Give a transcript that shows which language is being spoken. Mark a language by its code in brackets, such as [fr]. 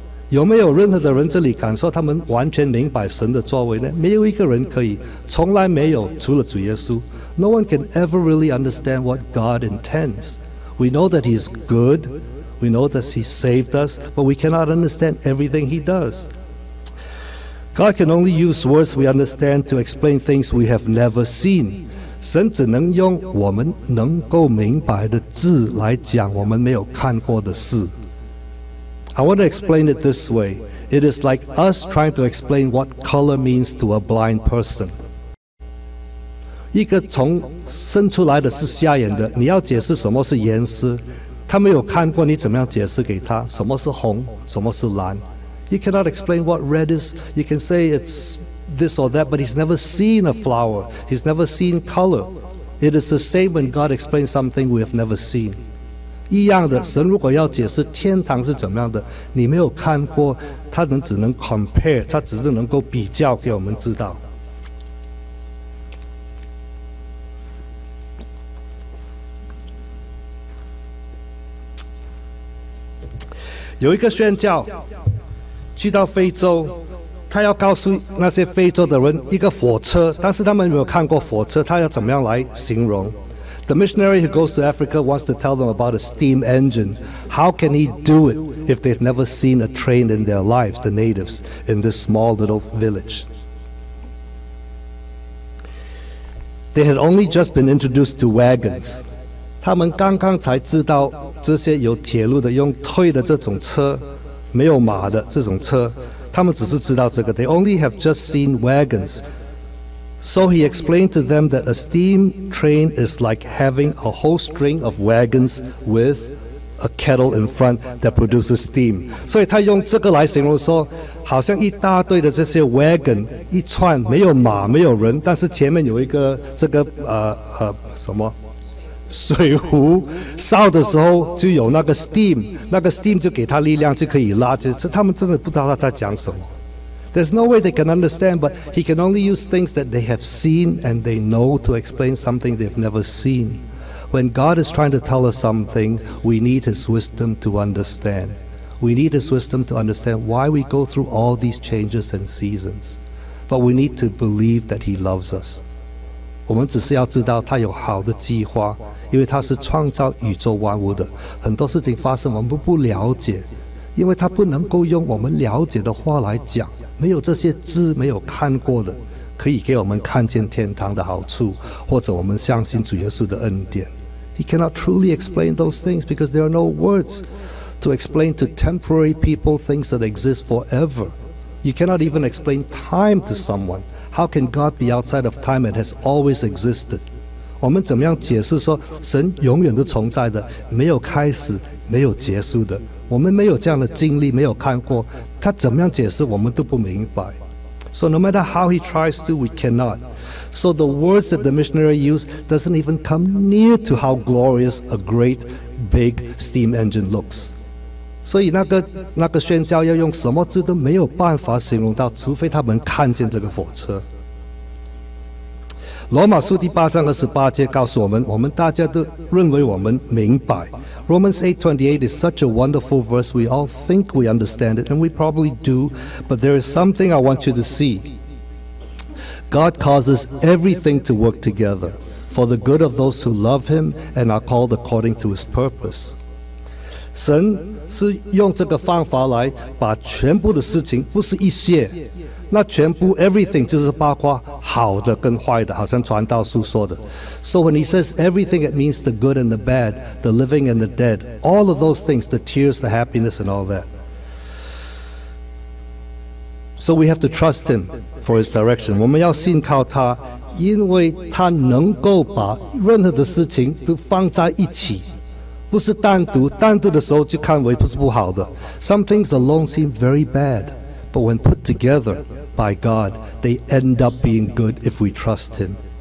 [zh] 有没有任何的人这里敢说他们完全明白神的作为呢？没有一个人可以，从来没有，除了主耶稣。 [en] No one can ever really understand what God intends. We know that He is good. We know that He saved us, but we cannot understand everything He does. God can only use words we understand to explain things we have never seen. [zh] 神只能用我们能够明白的字来讲我们没有看过的事。 [en] I want to explain it this way. It is like us trying to explain what color means to a blind person. [zh] 一个从生出来的是瞎眼的，你要解释什么是颜色，他没有看过，你怎么样解释给他什么是红，什么是蓝？ [en] You cannot explain what red is. You can say it's this or that, but he's never seen a flower. He's never seen color. It is the same when God explains something we have never seen. [zh] 一样的，神如果要解释天堂是怎么样的，你没有看过，他能只能 compare， 他只是能够比较给我们知道。有一个宣教去到非洲，他要告诉那些非洲的人一个火车，但是他们没有看过火车，他要怎么样来形容？ [en] The missionary who goes to Africa wants to tell them about a steam engine. How can he do it if they've never seen a train in their lives, the natives in this small little village? They had only just been introduced to wagons. [zh] 他们刚刚才知道这些有铁路的用推的这种车，没有马的这种车，他们只是知道这个。 [en] They only have just seen wagons. So he explained to them that a steam train is like having a whole string of wagons with a kettle in front that produces steam. [zh] 所以他用这个来形容说，好像一大堆的这些 wagon， 一串没有马没有人，但是前面有一个这个什么水壶，烧的时候就有那个 steam， 那个 steam 就给他力量，就可以拉。就是他们真的不知道他在讲什么。 [en] There's no way they can understand, but he can only use things that they have seen and they know to explain something they've never seen. When God is trying to tell us something, we need His wisdom to understand. We need His wisdom to understand why we go through all these changes and seasons. But we need to believe that He loves us. [zh] 我们只是要知道他有好的计划，因为他是创造宇宙万物的。很多事情发生我们不了解，因为他不能够用我们了解的话来讲，没有这些字，没有看过的可以给我们看见天堂的好处，或者我们相信主耶稣的恩典。 [en] He cannot truly explain those things because there are no words to explain to temporary people things that exist forever. You cannot even explain time to someoneHow can God be outside of time and has always existed? [zh] 我们怎么样解释说神永远都存在的，没有开始，没有结束的？我们没有这样的经历，没有看过，他怎么样解释我们都不明白。 [en] So no matter how he tries to, we cannot. So the words that the missionary used doesn't even come near to how glorious a great big steam engine looks. [zh] 所以那个宣教要用什么字都没有办法形容到，除非他们看见这个火车。罗马书第八章二十八节告诉我们，我们大家都认为我们明白。 [en] Romans 8:28 is such a wonderful verse. We all think we understand it, and we probably do. But there is something I want you to see. God causes everything to work together for the good of those who love Him and are called according to His purpose. [zh] 神是用这个方法来把全部的事情，不是一些，那全部 everything 就是包括好的跟坏的，好像传道书说的。 [en] So when he says everything, it means the good and the bad, the living and the dead, all of those things, the tears, the happiness and all that. So we have to trust him for his direction. [zh] 我们要信靠他，因为他能够把任何的事情都放在一起，不是单独，单独的时候就看为不是不好的。 [en] Some things alone seem very bad, but when put together by God, they end up being good if we trust Him.